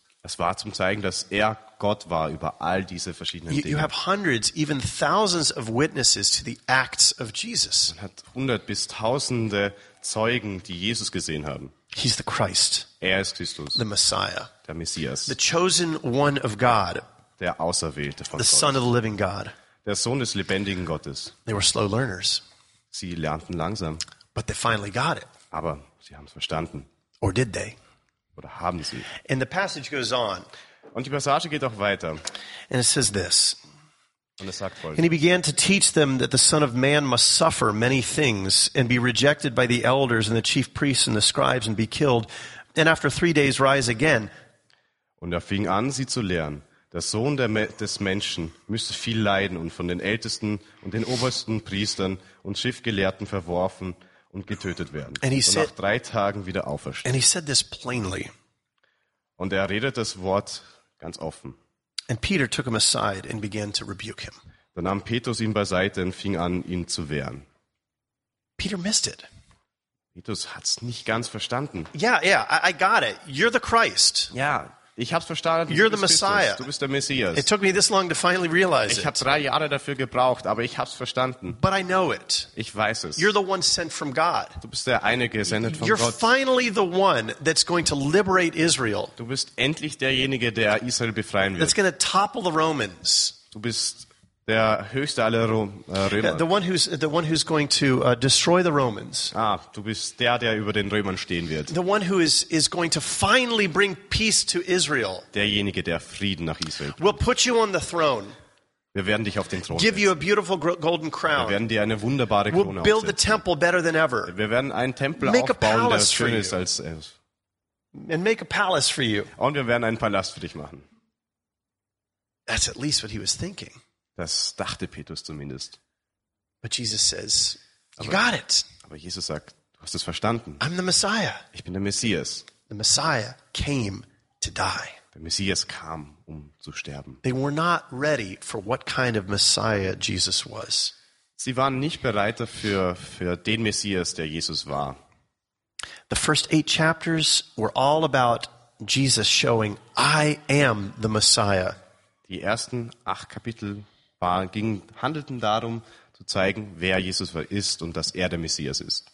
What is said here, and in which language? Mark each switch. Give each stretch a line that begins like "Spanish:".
German: Es war zum zeigen, dass er Gott war über all diese verschiedenen Dinge.
English: You have hundreds, even thousands of witnesses to the acts of Jesus.
German: Man hat hundert bis tausende Zeugen, die Jesus gesehen haben.
English: He's the Christ.
German: Er ist Christus.
English: The Messiah.
German: Der Messias.
English: The chosen one of God.
German: Der Auserwählte von Gott.
English: The Son of the living God.
German: Der Sohn des lebendigen Gottes.
English: They were slow learners.
German: Sie lernten langsam.
English: But they finally got it.
German: Aber sie haben es verstanden.
English: Or did they?
German: Oder haben sie?
English: And the passage goes on.
German: Und die Passage geht auch weiter.
English: And it says this.
German: Und es sagt folgendes.
English: And he began to teach them that the Son of Man must suffer many things and be rejected by the elders and the chief priests and the scribes and be killed and after 3 days rise again.
German: Und er fing an, sie zu lehren. Der Sohn des Menschen müsste viel leiden und von den Ältesten und den obersten Priestern und Schriftgelehrten verworfen und getötet werden.
English: And he
German: und
English: said,
German: nach 3 Tagen wieder auferstehen.
English: And he said this plainly.
German: Und er redet das Wort ganz offen.
English: And Peter took him aside and began to rebuke him.
German: Dann nahm Petrus ihn beiseite und fing an, ihn zu wehren.
English: Peter missed it.
German: Petrus hat's nicht ganz verstanden.
English: Yeah, I got it. You're the Christ.
German: Yeah. Ich hab's verstanden.
English: You're the Messiah.
German: Du bist der Messias.
English: It took me this long to finally realize it.
German: Ich habe 3 Jahre dafür gebraucht, aber ich hab's verstanden.
English: But I know it.
German: Ich weiß es.
English: You're the one sent from God.
German: Du bist der eine gesendet von
English: You're
German: Gott.
English: You're finally the one that's going to liberate Israel.
German: Du bist endlich derjenige, der Israel befreien wird.
English: That's going to topple the Romans.
German: Du bist der höchste aller Römer.
English: Yeah, the one who's going to destroy the Romans.
German: Ah, du bist der über den Römern stehen wird.
English: The one who is going to finally bring peace to Israel.
German: Derjenige, der Frieden nach Israel bringt.
English: We'll put you on the throne.
German: Wir werden dich auf den Thron
English: give you a beautiful golden crown.
German: Wir werden dir eine wunderbare Krone aufsetzen.
English: Build the temple better than ever.
German: Wir werden einen Tempel make aufbauen, der schön ist als
English: And make a palace for you.
German: Und wir werden einen Palast für dich machen.
English: That's at least what he was thinking.
German: Das dachte Petrus zumindest.
English: But Jesus says, you got it.
German: Aber Jesus sagt, du hast es verstanden.
English: I'm the Messiah.
German: Ich bin der Messias.
English: The Messiah came to die.
German: Der Messias kam, um zu sterben.
English: They were not ready for what kind of Messiah Jesus was.
German: Sie waren nicht bereit für den Messias, der Jesus war.
English: The first 8 chapters were all about Jesus showing, I am the Messiah.
German: Die ersten 8 Kapitel handelten darum, zu zeigen, wer Jesus ist und dass er der Messias ist.